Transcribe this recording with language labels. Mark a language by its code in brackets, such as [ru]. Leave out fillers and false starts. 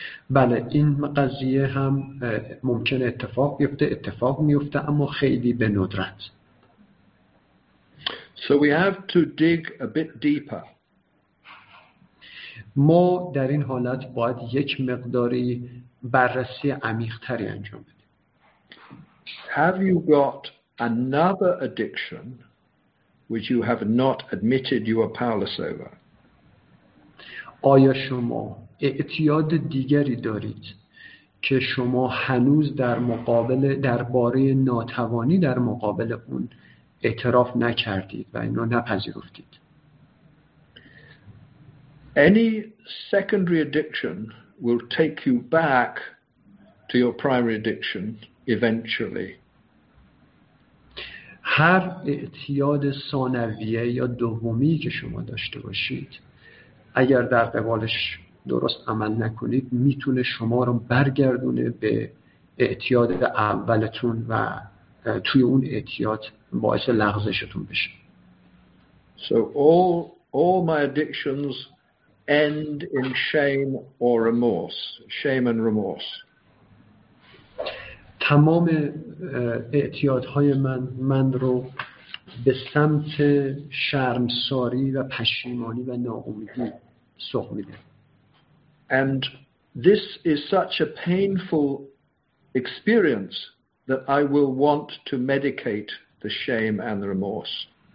[fa] بله، این قضیه هم ممکن اتفاق بیفته، اتفاق میفته اما خیلی به ندرت. [en] So we have to dig a bit deeper. [fa] ما در این حالت باید یک مقداری بررسی عمیق‌تری انجام بدیم. [en] Have you got another addiction which you have not admitted you are powerless over? [fa] آیا شما اعتیاد دیگری دارید که شما هنوز درباره ناتوانی در مقابل اون اعتراف نکردید و اینو نپذیرفتید؟ [en] Any secondary addiction will take you back to your primary addiction eventually. [fa] هر اعتیاد ثانویه یا دومی که شما داشته باشید، اگر در قبالش درست عمل نکنید، میتونه شما رو برگردونه به اعتیاد اولتون و توی اون اعتیاد باعث لغزشتون بشه. [en] So all my addictions end in shame or remorse. Shame and remorse. [fa] تمام اعتیادهای من رو به سمت شرمساری و پشیمانی و ناامیدی سوق میده. [en] And this is such a painful experience that I will want to medicate the shame and the remorse.